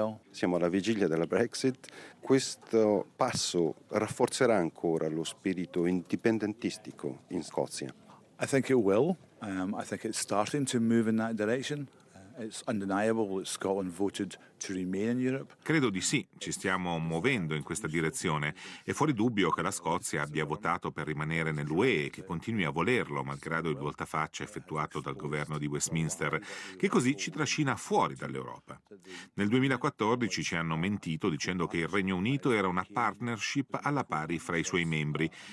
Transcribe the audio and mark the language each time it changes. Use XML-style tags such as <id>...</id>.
<it>Siamo alla vigilia della Brexit. Questo passo rafforzerà ancora lo spirito indipendentistico in Scozia?</it> <en>I think it will. I think it's starting to move in that direction. It's undeniable that Scotland voted to remain in Europe.</en> <it>Credo di sì, ci stiamo muovendo in questa direzione. È fuori dubbio che la Scozia abbia votato per rimanere nell'UE e che continui a volerlo, malgrado il voltafaccia effettuato dal governo di Westminster, che così ci trascina fuori dall'Europa. Nel 2014 ci hanno mentito dicendo che il Regno Unito era una partnership alla pari fra i suoi membri.</it>